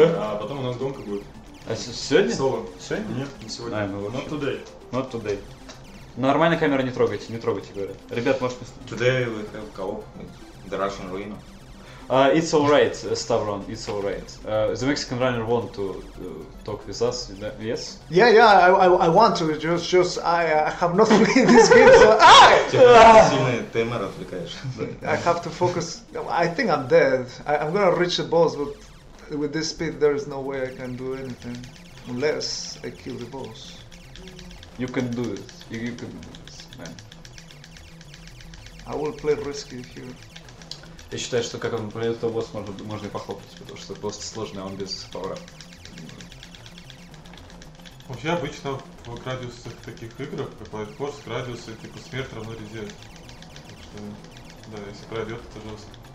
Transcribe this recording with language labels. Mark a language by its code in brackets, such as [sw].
[ru] а потом у нас гонка будет. А сегодня? Соло. Сегодня? Нет, не сегодня. [en] Not today. Not today. [ru] Нормально камеру не трогайте, говорят. Ребят, может мы... [en] Today we have co-op with the Russian Ruino. It's alright, Stavron, it's alright. The Mexican Runner want to talk with us, yes? Yeah, I want to, just I have not played this game, so... [ru] Сильный таймер отвлекаешь. [en] I have to focus, I think I'm dead. I'm gonna reach the boss, but with this speed there is no way I can do anything. Unless I kill the boss. You can do it, you can do this, man. I will play risky here. [ru] Я считаю, что как он пройдет, то босс можно и похлопать, потому что босс сложный, а он без пауэра. Вообще обычно в радиусах таких играх, как лайткорс, радиусы типа смерть равно резерв. Так что, да, если пройдет, это жестко.